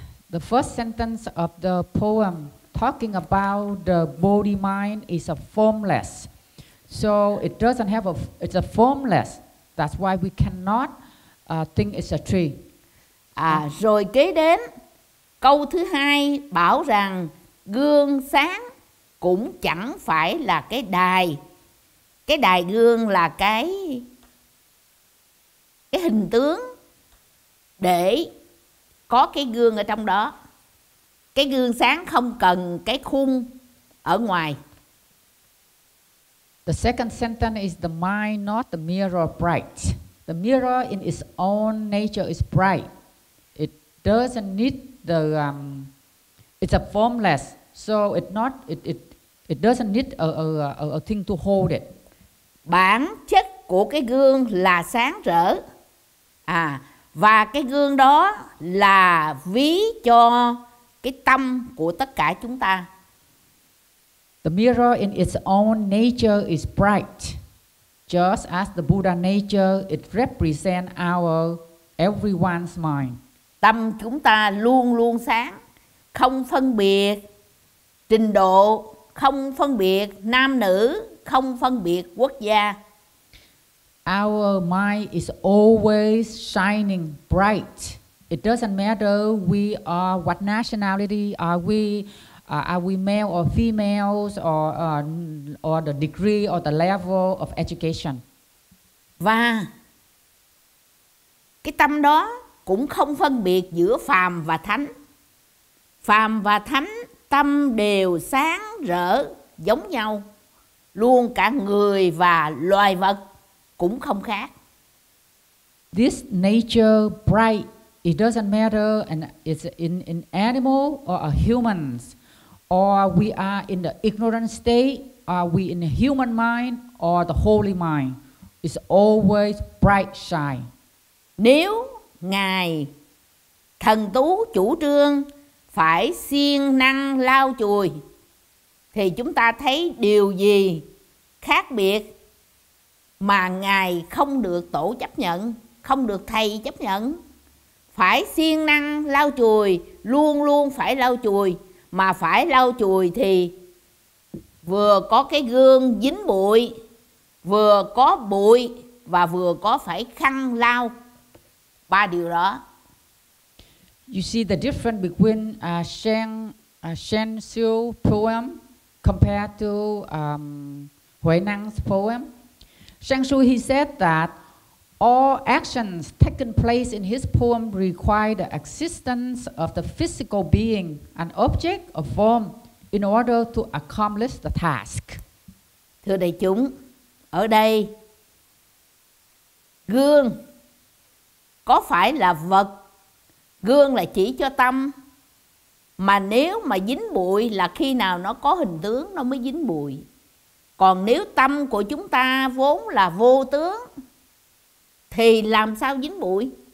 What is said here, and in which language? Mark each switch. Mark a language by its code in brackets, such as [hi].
[en] The first sentence of the poem talking about the body mind is a formless. So it doesn't have a, it's a formless. That's why we cannot think it's a tree. [vi] Rồi kế đến câu thứ hai bảo rằng gương sáng cũng chẳng phải là cái đài. Cái đài gương là cái hình tướng để có cái gương ở trong đó. Cái gương sáng không cần cái khung ở ngoài. [en] The second sentence is the mind not the mirror bright. The mirror in its own nature is bright. It doesn't need the it's a formless. So it doesn't need a thing to hold it. [vi] Bản chất của cái gương là sáng rỡ. Và cái gương đó là ví cho cái tâm của tất cả chúng ta. [en] The mirror in its own nature is bright. Just as the Buddha nature, it represents our everyone's mind. [vi] Tâm chúng ta luôn luôn sáng, không phân biệt trình độ, không phân biệt nam nữ, không phân biệt quốc gia. [en] Our mind is always shining bright. It doesn't matter we are what nationality are we male or females or the degree or the level of education. [vi] Và cái tâm đó cũng không phân biệt giữa phàm và thánh. Phàm và thánh tâm đều sáng rỡ giống nhau. Luôn cả người và loài vật cũng không khác. [en] This nature bright, it doesn't matter and it's in animal or a humans, or we are in the ignorant state, are we in the human mind or the holy mind, it's always bright shine. [vi] Nếu ngài thần tú chủ trương phải siêng năng lau chùi thì chúng ta thấy điều gì khác biệt mà ngài không được tổ chấp nhận, không được thầy chấp nhận? Phải siêng năng lau chùi, luôn luôn phải lau chùi, mà phải lau chùi thì vừa có cái gương dính bụi, vừa có bụi và vừa có phải khăn lau, ba điều đó. [en] You see the difference between Shen Xiu poem compared to Huệ Năng's poem. Shang Shu, he said that all actions taken place in his poem require the existence of the physical being, an object, a form, in order to accomplish the task. [vi] Thưa đại chúng, ở đây gương có phải là vật? Gương là chỉ cho tâm. Mà nếu mà dính bụi là khi nào nó có hình tướng nó mới dính bụi. Còn nếu tâm của chúng ta vốn là vô tướng thì làm sao dính bụi?